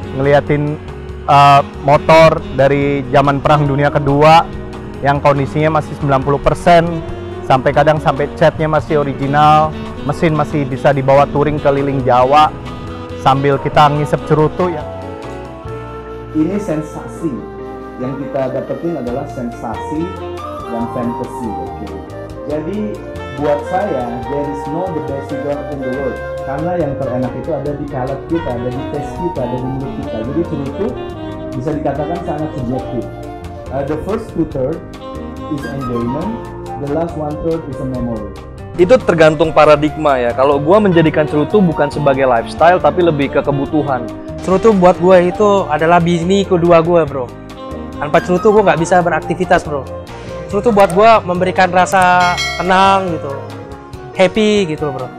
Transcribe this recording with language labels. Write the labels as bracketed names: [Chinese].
[Indonesian] Ngeliatin motor dari zaman Perang Dunia Kedua yang kondisinya masih 90%, sampai kadang sampai catnya masih original, mesin masih bisa dibawa touring keliling Jawa sambil kita ngisep cerutu ya. Ini sensasi yang kita dapetin adalah sensasi dan fantasi. Jadi buat saya, [English] there is no the best cigar in the world. [Indonesian] Karena yang terenak itu ada di palate kita, ada di taste kita, ada di mulut kita. Jadi cerutu bisa dikatakan sangat subjektif. [English] The first two-third is enjoyment, the last one-third is a memory. [Indonesian] Itu tergantung paradigma ya. Kalau gua menjadikan cerutu bukan sebagai lifestyle, tapi lebih ke kebutuhan. Cerutu buat gua itu adalah bisnis kedua gua, bro. Tanpa cerutu gua nggak bisa beraktivitas, bro. Cerutu buat gue memberikan rasa tenang gitu, happy gitu bro.